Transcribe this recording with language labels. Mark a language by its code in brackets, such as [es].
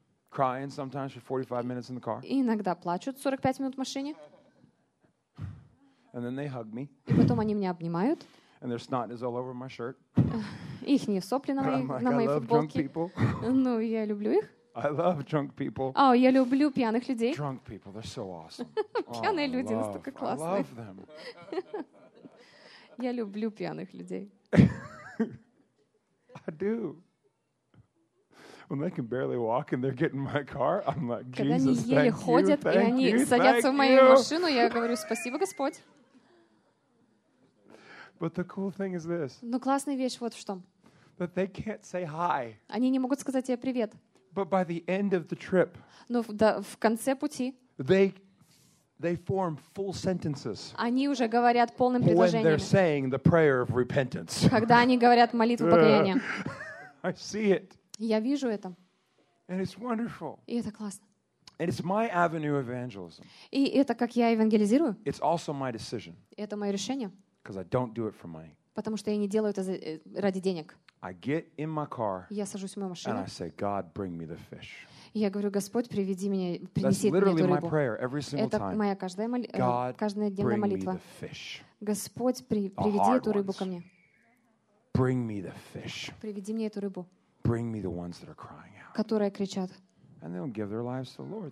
[en] Crying sometimes for 45 minutes in the car. [ru] И иногда плачут 45 минут в машине. [en] And then they hug me. [ru] И потом они меня обнимают. [en] And their snot is all over my shirt. [ru] Ихние сопли на моей футболке. Ну, я люблю их. [en] I love drunk people. [ru] А, я люблю пьяных людей. [en] Drunk people, they're so awesome. [ru] Пьяные люди настолько классные. [en] I love them. [ru] Я люблю пьяных людей. [en] I do. When they can barely walk and they're getting my car, I'm like, Jesus, thank you. [ru] Когда они еле ходят и они садятся в мою машину, я говорю: "Спасибо, Господь". [en] But the cool thing is this. [ru] Но классная вещь вот в чём. [en] That they can't say hi. [ru] Они не могут сказать тебе привет. [en] But by the end of the trip. [ru] Но в конце пути. [en] They form full sentences. [ru] Они уже говорят полным предложениями. [en] When they're saying the prayer of repentance. [ru] Когда они говорят молитву покаяния. [en] I see it. [ru] Я вижу это. [en] And it's wonderful. [ru] И это классно. [en] And it's my avenue of evangelism. [ru] И это как я евангелизирую. [en] It's also my decision. [ru] Это моё решение. [en] Because I don't do it for money. [ru] Потому что я не делаю это ради денег. [en] I get in my car. [ru] Я сажусь в мою машину. [en] And I say, God, bring me the fish. [ru] Я говорю: Господь, приведи меня, принеси мне эту рыбу. [en] That's literally my prayer every single time. [ru] Это моя каждая каждодневная молитва. [en] God, bring me the fish. [ru] Господь, приведи эту рыбу ко мне. [en] Bring me the fish. [ru] Приведи мне эту рыбу. [en] Bring me the ones that are crying out. [ru] Которые кричат. [en] And they'll give their lives to the Lord.